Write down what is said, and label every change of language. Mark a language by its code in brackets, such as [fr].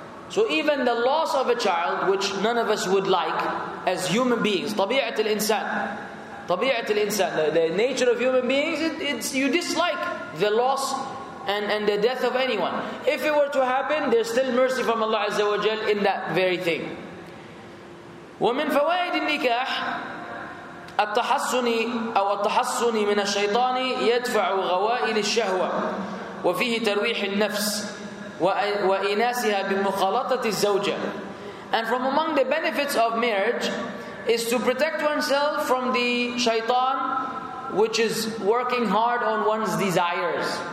[en] So even the loss of a child, which none of us would like as human beings, [ar] طبيعة الإنسان, [en] the nature of human beings, it's you dislike the loss and the death of anyone. If it were to happen, there's still mercy from Allah Azza wa Jal in that very thing. [ar] ومن فوائد النكاح التحصن أو التحصن من الشيطان يدفع غوائل الشهوة وفيه ترويح النفس وإناسها بمخالطة الزوجة. [en] And from among the benefits of marriage is to protect oneself from the shaitan, which is working hard on one's desires.